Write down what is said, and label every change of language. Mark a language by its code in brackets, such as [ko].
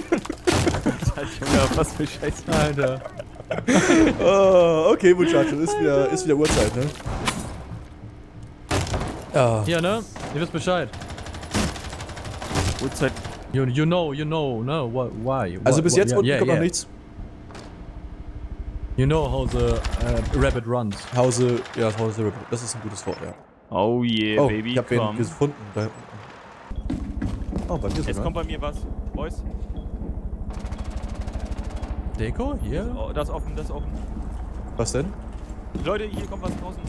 [de] Ja, was für Scheiße, Alter. Oh, okay, Muchacho, ist wieder Uhrzeit, ne? Ja, ne? Ihr wisst Bescheid. Uhrzeit. [en] You know, ne? Why? [de] Also bis jetzt unten kommt noch nichts. [en] You know how the rabbit runs. How the rabbit. [de] Das ist ein gutes Wort, ja. [en] Oh, baby. [de] Ich hab wen gefunden. Da. Oh, bei mir ist es. Jetzt kommt bei mir was, Boys. Deko, hier? Das offen. Was denn? Leute, hier kommt was draußen.